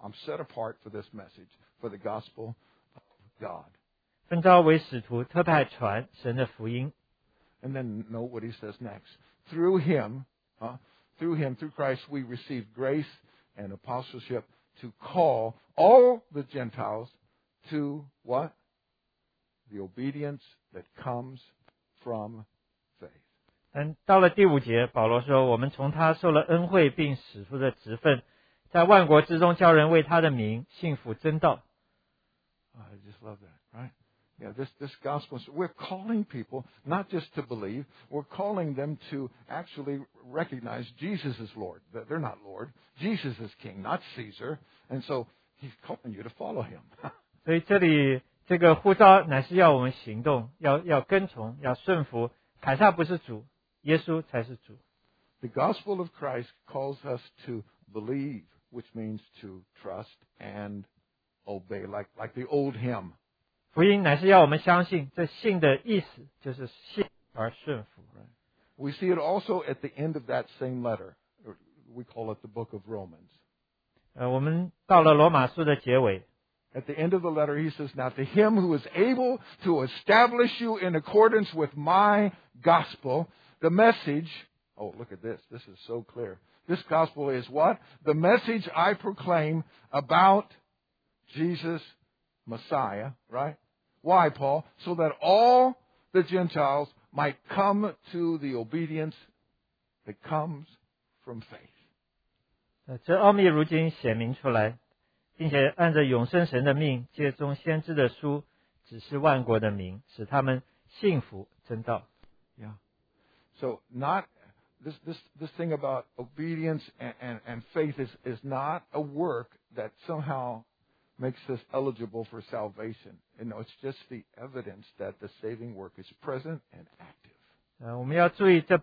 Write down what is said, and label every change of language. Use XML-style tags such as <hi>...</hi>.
<en>I'm set apart for this message, for the gospel of God.</en> <zh>分召为使徒，特派传神的福音。</zh> <en>And then note what he says next. Through him, through Christ, we receive grace and apostleship. To call all the Gentiles to what? The obedience that comes from faith.</en> <zh>但到了第五节，保罗说：“我们从他受了恩惠，并使徒的职分，在万国之中叫人为他的名信服真道。”</zh> <en>I just love that, right? Yeah, this gospel. So we're calling people not just to believe. We're calling them to actually recognize Jesus as Lord. They're not Lord. Jesus is King, not Caesar. And so he's calling you to follow him.</en> <zh>所以这里这个呼召乃是要我们行动，要跟从，要顺服。凯撒不是主，耶稣才是主。</zh> <en>The gospel of Christ calls us to believe, which means to trust and obey, like the old hymn.</en> <zh>福音乃是要我们相信，这信的意思就是信而顺服。</zh> <en>We see it also at the end of that same letter. We call it the book of Romans.</en> <zh>我们到了罗马书的结尾。</zh> <en>At the end of the letter, he says, now to him who is able to establish you in accordance with my gospel, the message. Oh, look at this. This is so clear. This gospel is what? The message I proclaim about Jesus Messiah, right? Why, Paul? So that all the Gentiles might come to the obedience that comes from faith.</en> <zh>这奥秘如今显明出来。并且按着永生神的命，借众先知的书，指示万国的民，使他们信服真道。</zh> <en>Yeah. So not this thing about obedience and faith is not a work that somehow makes us eligible for salvation. You know, it's just the evidence that the saving work is present and active.</en>